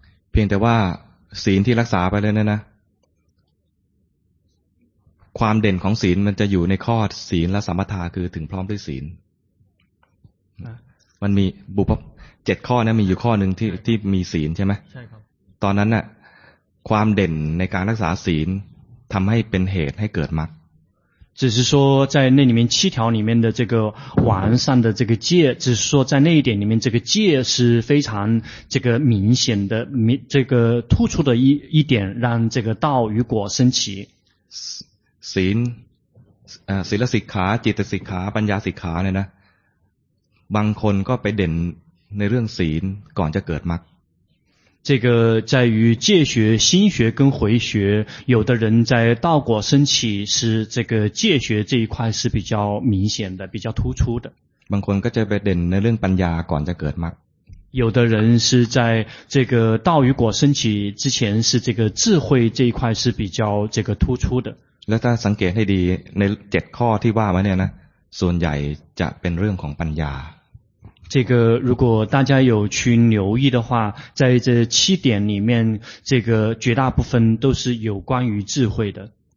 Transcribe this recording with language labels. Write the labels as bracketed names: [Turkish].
[Thai] เพียงแต่ว่าศีลที่รักษาไปแล้วนะความเด่นของศีลมันจะอยู่ในข้อศีลและสัมปทาคือถึงพร้อมด้วยศีลมันมีบุพพเจ็ดข้อนี่มีอยู่ข้อหนึ่งที่มีศีลใช่ไหม ใช่ครับ ตอนนั้นน่ะความเด่นในการรักษาศีลทำให้เป็นเหตุให้เกิดมรรค [Chinese] 只是说在那里面七条里面的这个完善的这个戒，只是说在那一点里面，这个戒是非常这个明显的这个突出的一点，让这个道与果升起。 [Thai] ศีล ศีลสิกขา จิตสิกขา ปัญญาสิกขา เนี่ยนะ บางคนก็ไปเด่นในเรื่องศีลก่อนจะเกิดมรรค [Chinese] 这个在于戒学心学跟回学有的人在道果升起是这个戒学这一块是比较明显的比较突出的 [Thai] บางคนก็จะไปเด่นในเรื่องปัญญาก่อนจะเกิดมรรค [Chinese] 有的人是在这个道与果升起之前是这个智慧这一块是比较这个突出的 [Thai] แล้วถ้าสังเกตให้ดีใน7ข้อที่ว่ามาเนี่ยนะส่วนใหญ่จะเป็นเรื่องของปัญญา [Chinese] 这个如果大家有去留意的话，在这七点里面，这个绝大部分都是有关于智慧的。